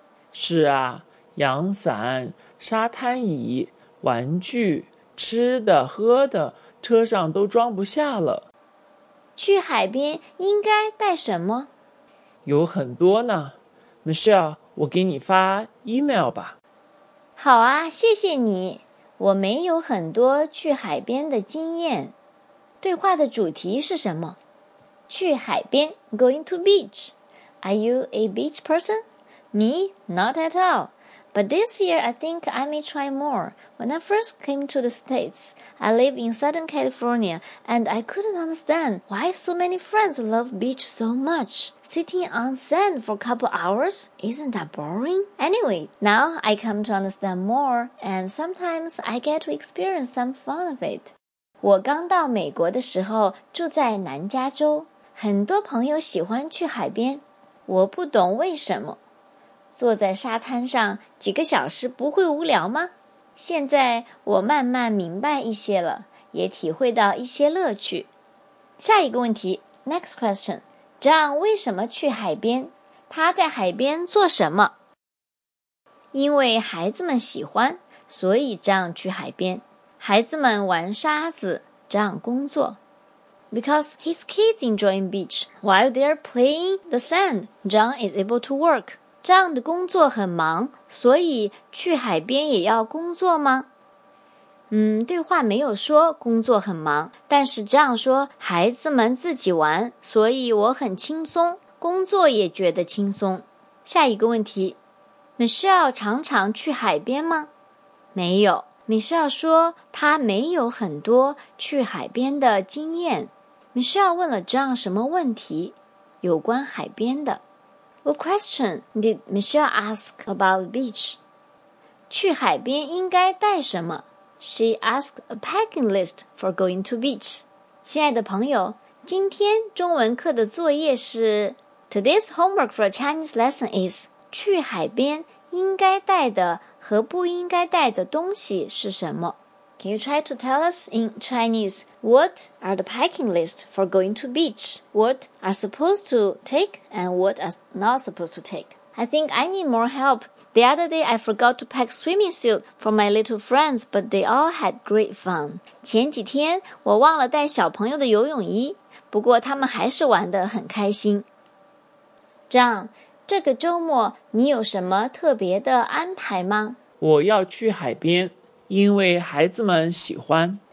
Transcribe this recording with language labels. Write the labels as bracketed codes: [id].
[zh] 是啊，阳伞、沙滩椅、玩具、吃的、喝的，车上都装不下了。去海边应该带什么？有很多呢。Michelle, 我给你发 email 吧。好啊，谢谢你。我没有很多去海边的经验。对话的主题是什么？去海边 [en] ,going to beach. Are you a beach person? Me, not at all. But this year, I think I may try more. When I first came to the States, I live in Southern California, and I couldn't understand why so many friends love beach so much. Sitting on sand for a couple hours, isn't that boring? Anyway, now I come to understand more, and sometimes I get to experience some fun of it. [zh] 我刚到美国的时候住在南加州，很多朋友喜欢去海边，我不懂为什么。坐在沙滩上几个小时不会无聊吗？现在我慢慢明白一些了，也体会到一些乐趣。下一个问题 ， [en] Next question， [zh] 张为什么去海边？他在海边做什么？因为孩子们喜欢，所以张去海边。孩子们玩沙子，张工作。 [en] Because his kids enjoy beach while they're playing the sand, John is able to work. [zh] John的工作很忙，所以去海边也要工作吗？对话没有说工作很忙，但是John说孩子们自己玩，所以我很轻松，工作也觉得轻松。下一个问题 ，Michelle 常常去海边吗？没有 ，Michelle 说她没有很多去海边的经验。 Michelle 问了John什么问题？有关海边的。 [en] What question did Michelle ask about the beach? [zh] 去海边应该带什么? [en] She asked a packing list for going to beach. [zh] 亲爱的朋友,今天中文课的作业是 [en] Today's homework for a Chinese lesson is [zh] 去海边应该带的和不应该带的东西是什么? [en] Can you try to tell us in Chinese what are the packing lists for going to beach? What are supposed to take and what are not supposed to take? I think I need more help. The other day I forgot to pack swimming suit for my little friends, but they all had great fun. [zh] 前几天我忘了带小朋友的游泳衣，不过他们还是玩得很开心。 John, 这个周末你有什么特别的安排吗？我要去海边，因为孩子们喜欢。